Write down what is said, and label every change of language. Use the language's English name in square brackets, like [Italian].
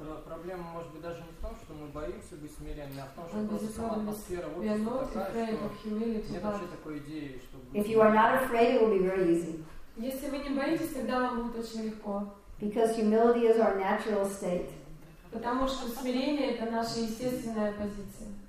[Russian] Проблема может быть даже не в том, что мы боимся быть смиренными, а в том, что просто сама атмосфера общества такая, что нет вообще такой идеи, чтобы. [English] If you are not afraid, it will be very easy. [Russian] Если вы не боитесь, тогда вам будет очень легко. [English] Because humility is our natural state. [Russian] Потому что смирение — это наша естественная позиция.